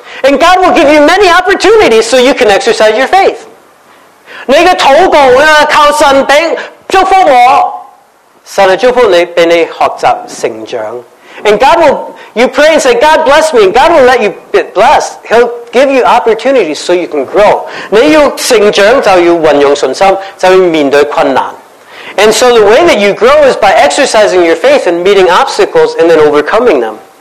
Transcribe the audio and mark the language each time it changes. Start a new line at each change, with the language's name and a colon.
English: And God will give you many opportunities so you can exercise your faith.
Chinese: 你的祷告，靠神祝福我。神就祝福你，让你学习成长。
English: And God will, you pray and say, God bless me. And God will let you be blessed. He'll give you opportunities so you can grow.
Chinese: 你要成长就要运用信心，就要面对困难。
English: And so the way that you grow is by exercising your faith and meeting obstacles and then overcoming them.